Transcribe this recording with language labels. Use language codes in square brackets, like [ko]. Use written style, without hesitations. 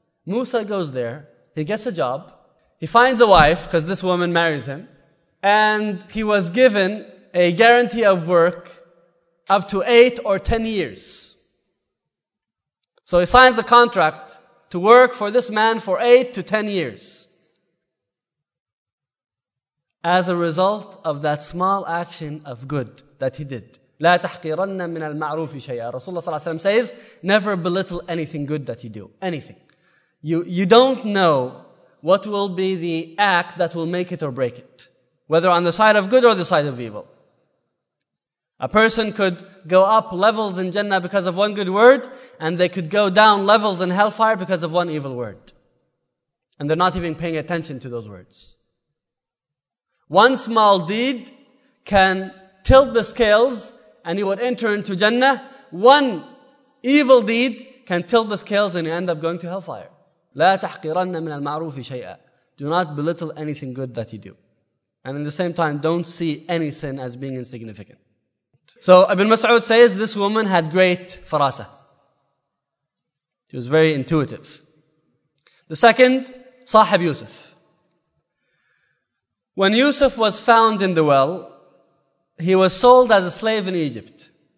[en] Musa goes there, he gets a job, he finds a wife because this woman marries him, and he was given a guarantee of work up to 8 or 10 years. So he signs a contract to work for this man for 8 to 10 years. As a result of that small action of good that he did. [ar] لا تحقرن من المعروف شيئا. رسول الله صلى الله عليه وسلم [en] says, never belittle anything good that you do. Anything. You don't know what will be the act that will make it or break it. Whether on the side of good or the side of evil. A person could go up levels in Jannah because of one good word, and they could go down levels in hellfire because of one evil word. And they're not even paying attention to those words. One small deed can tilt the scales and he would enter into Jannah. One evil deed can tilt the scales and you end up going to hellfire. [ar] لا تحقرن من المعروف شيئا. [en] Do not belittle anything good that you do. And in the same time, don't see any sin as being insignificant. So Ibn Mas'ud says this woman had great farasa. She was very intuitive. The second, Sahib Yusuf. When Yusuf was found in the well, he was sold as a slave in Egypt.